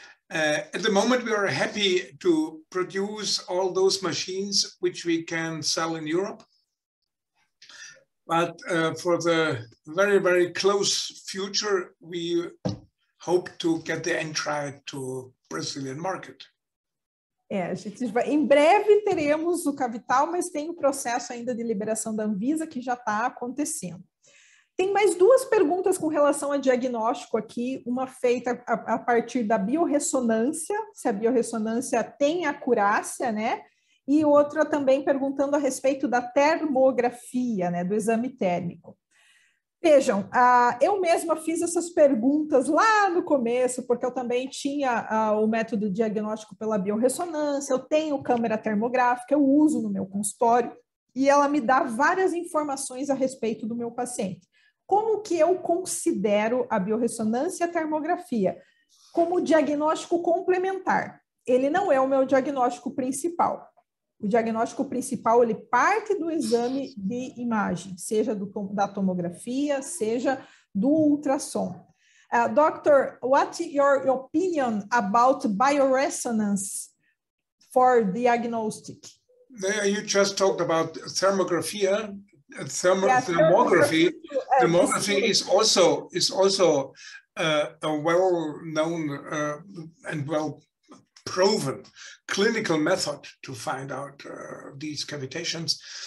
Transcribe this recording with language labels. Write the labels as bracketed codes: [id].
[en] At the moment, we are happy to produce all those machines which we can sell in Europe. But for the very, very close future, we hope to get the entry to Brazilian market. [pt] A gente vai, em breve teremos o cavital, mas tem o processo ainda de liberação da Anvisa que já está acontecendo. Tem mais duas perguntas com relação a diagnóstico aqui, uma feita a partir da biorressonância, se a biorressonância tem acurácia, né? E outra também perguntando a respeito da termografia, né? Do exame térmico. Vejam, eu mesma fiz essas perguntas lá no começo, porque eu também tinha o método diagnóstico pela biorressonância, eu tenho câmera termográfica, eu uso no meu consultório, e ela me dá várias informações a respeito do meu paciente. Como que eu considero a biorressonância e a termografia? Como diagnóstico complementar. Ele não é o meu diagnóstico principal. O diagnóstico principal, ele parte do exame de imagem, seja da tomografia, seja do ultrassom. [en] Doctor, what's your opinion about bioresonance for diagnostic? You just talked about thermographia. Thermography. Thermography is also a well-known and well-proven clinical method to find out these cavitations.